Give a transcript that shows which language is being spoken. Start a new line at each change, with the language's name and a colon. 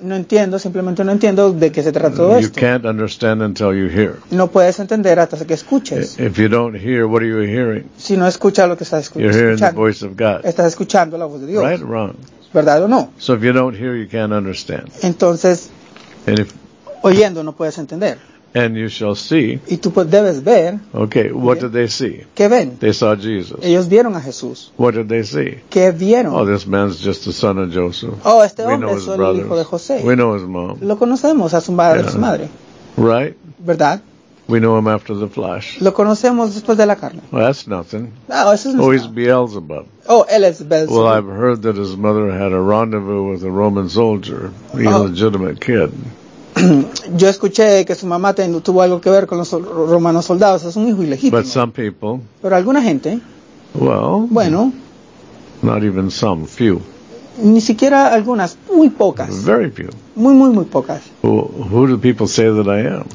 Spanish: No entiendo, simplemente no entiendo de qué se trata todo
English: you
Spanish: esto.
English: You can't understand until you hear.
Spanish: No puedes entender hasta que escuches.
English: If you don't hear, what are you hearing?
Spanish: Si no escuchas lo que estás escuchando.
English: You're hearing the voice of God.
Spanish: Estás escuchando la voz de Dios.
English: Right or wrong?
Spanish: ¿Verdad o no?
English: So if you don't hear, you can't understand.
Spanish: Entonces,
English: and if,
Spanish: oyendo no puedes entender.
English: And you shall see.
Spanish: Y tú debes ver.
English: Okay, what did they see?
Spanish: ¿Qué ven?
English: They saw Jesus.
Spanish: Ellos vieron a Jesús.
English: What did they see?
Spanish: ¿Qué vieron?
English: Oh, this man's just the son of Joseph.
Spanish: Oh, este hombre es solo el hijo de José.
English: We know his mom.
Spanish: Lo conocemos a su madre. Yeah. Su madre.
English: Right?
Spanish: ¿Verdad?
English: We know him after the flesh.
Spanish: Lo conocemos después de la carne.
English: Well, that's nothing.
Spanish: No, eso es
English: oh, he's Beelzebub.
Spanish: Oh, él es Beelzebub.
English: Well, I've heard that his mother had a rendezvous with a Roman soldier, the illegitimate kid.
Spanish: Yo escuché que su mamá tuvo algo que ver con los romanos soldados. Es un hijo ilegítimo.
English: But some people,
Spanish: pero alguna gente.
English: Well,
Spanish: bueno.
English: Not even some, few.
Spanish: Ni siquiera algunas, muy pocas.
English: Very few.
Spanish: Muy, muy, muy pocas.
English: Who do people say that I am?